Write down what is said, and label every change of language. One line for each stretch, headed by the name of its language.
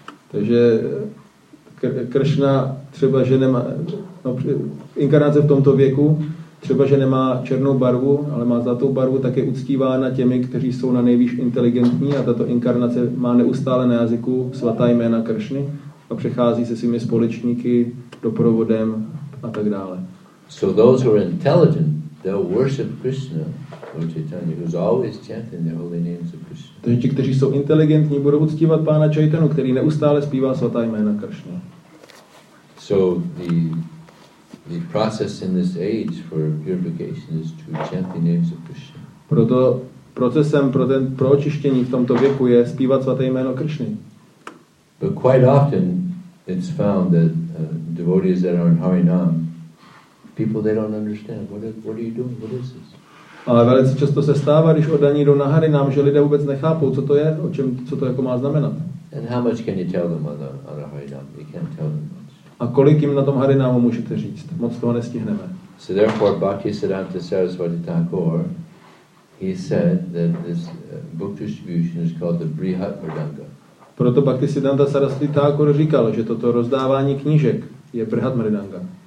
Czech: Takže Krishna třeba že nemá, no, inkarnace v tomto věku, třeba že nemá černou barvu, ale má zlatou barvu, tak je uctívána těmi, kteří jsou na nejvýš inteligentní, a tato inkarnace má neustále na jazyku svatá jména Kršny a přechází se svými společníky doprovodem a tak dále.
English: So those who are intelligent, they'll worship Krishna. Lord Chaitanya, who's always chanting the holy names of Krishna.
Czech: Takže ti, kteří jsou inteligentní, budou uctívat pána Chaitanu, který neustále zpívá svatá jména Kršna.
English: So the process in this age for purification is to chant the names of Krishna.
Czech: Proto procesem pro očištění v tomto věku je zpívat svaté jméno Kršny.
English: But quite often it's found that devotees that are in Harinam, people they don't understand. What are you doing? What is this?
Czech: Ale velice často se stává, když oddaní jdou na Harinam, že lidé vůbec nechápou, co to je, o čem, co to jako má znamenat.
English: And how much can you tell them on the Harinam? You can't tell them much.
Czech: A kolik jim na tom Harinamu můžete říct? Moc toho nestihneme.
English: So therefore, Bhaktisiddhanta Sarasvati Thakur, he said that this book distribution is called the Brihat Mridanga.
Czech: Proto Bhaktisiddhanta Sarasvati Thakur říkal, že toto rozdávání knížek je Brihat Mridanga.